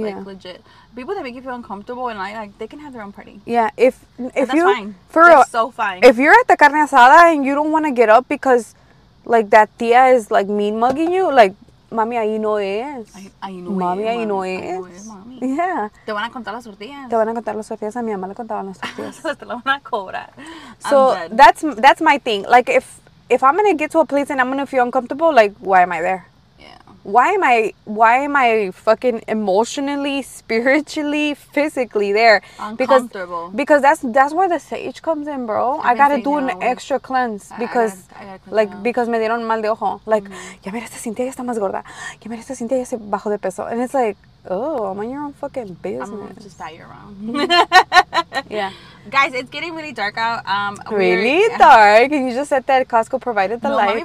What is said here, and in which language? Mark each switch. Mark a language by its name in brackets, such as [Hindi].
[English] Like, legit. People that make you feel uncomfortable in life, like, they can have their own party. Yeah, if that's you... That's fine. For real. That's so fine. If you're at the carne asada and you don't want to get up because, like, that tia is, like, mean mugging you, like, [Spanish] mami, ahí no es. Ahí no es. Mami, ahí no es. Mami. [English] Yeah. [Spanish] Te van a contar las tortillas. Te van a contar las tortillas. A mi mamá le contaban las tortillas. Te la van a cobrar. [English] So, that's my thing. Like, if I'm going to get to a place and I'm going to feel uncomfortable, like, why am I there? Yeah. Why am I fucking emotionally, spiritually, physically there? Uncomfortable. Because that's where the sage comes in, bro. I got to do an extra cleanse because [Spanish] me dieron mal de ojo. Like, ya mira esta Cintia, ya está más gorda. Ya mira esta Cintia, ya se bajó de peso. [English] And it's like, oh, I'm on your own fucking business. I'm just that you're wrong. Yeah. Guys, it's getting really dark out. Really dark? And you just said that Costco provided the light.